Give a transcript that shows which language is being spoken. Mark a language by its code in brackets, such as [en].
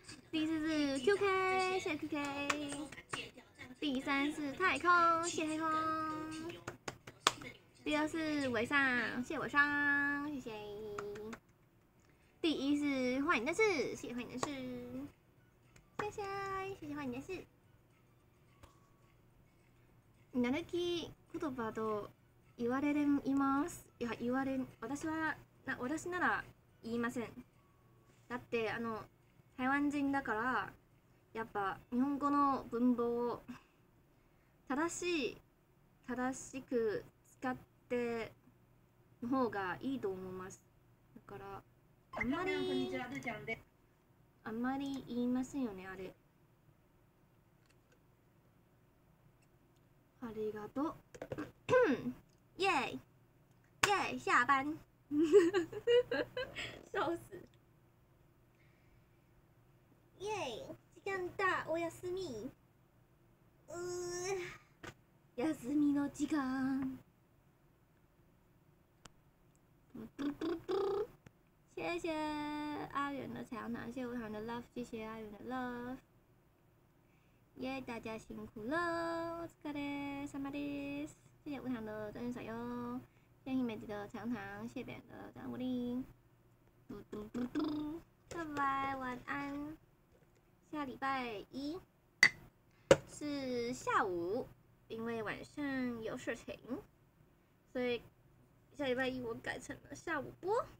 [zh] 第四是 QK， 谢谢 QK。第三是太空，谢谢太空。第二是尾上，谢尾上，谢谢。第一是幻影战士，谢谢幻影战士，谢谢，谢谢幻影战士。 [ja] やる気言葉と言われています。いや言われ、私はな私なら言いません。だってあの台湾人だからやっぱ日本語の文法を正しく使っての方がいいと思います。だからあんまり言いませんよねあれ。ありがとう。イエイイエイ下班。 [zh] 笑死。 [ja] イエイ時間だお休み。休みの時間。 [zh] 谢谢阿远的彩虹糖，谢谢无糖的 love， 谢谢阿远的 love。耶、yeah, ，大家辛苦了， [ja] お疲れ様です。 [zh] 谢谢无糖的真心彩虹，谢谢美姬的彩虹糖，谢谢别人的张武林。嘟嘟嘟嘟，拜拜，晚安。下礼拜一是下午，因为晚上有事情，所以下礼拜一我改成了下午播。